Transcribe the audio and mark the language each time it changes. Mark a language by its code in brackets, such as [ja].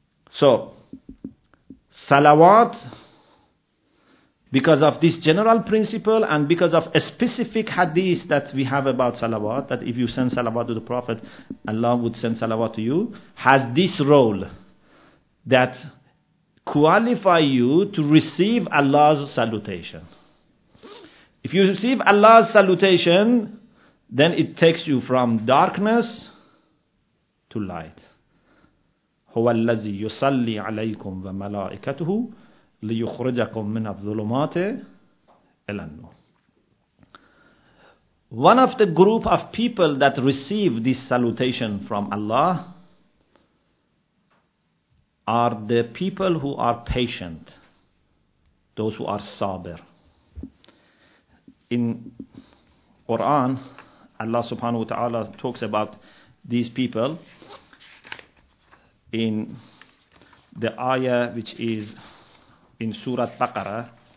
[en] So, salawat, because of this general principle and because of a specific hadith that we have about salawat, that if you send salawat to the Prophet, Allah would send salawat to you, has this role that qualify you to receive Allah's salutation. If you receive Allah's salutation, then it takes you from darkness to light. [ar] هو الذي يصلي عليكم وملائكته ليخرجكم من الظلمات إلى النور. [en] One of the group of people that receive this salutation from Allah are the people who are patient, those who are sabr. In Quran, Allah subhanahu wa ta'ala talks about these people in the ayah which is in Surah Baqarah.